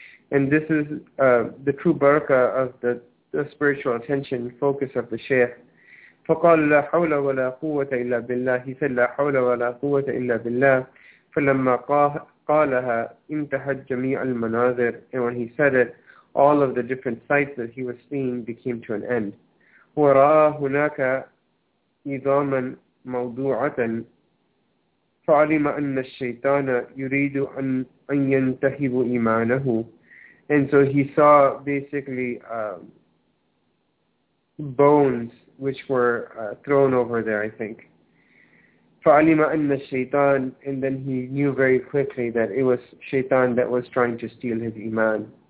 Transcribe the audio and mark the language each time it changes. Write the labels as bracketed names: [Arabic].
[English] And this is the true barakah of the spiritual attention focus of the sheikh. [Arabic] فقال لا حول ولا قوة إلا بالله. [English] He said [Arabic] لا حول ولا قوة إلا بالله. فلما قالها انتهت جميع المناظر. [English] And when he said it, all of the different sights that he was seeing became to an end. [Arabic] ورأى هناك إظاما موضوعة فعلم أن الشيطان يريد أن ينتهب إيمانه. [English] And so he saw basically bones which were thrown over there, I think. [Arabic] فَعَلِمَ أَنَّ الشَّيْطَانِ [English] And then he knew very quickly that it was Shaitan that was trying to steal his Iman.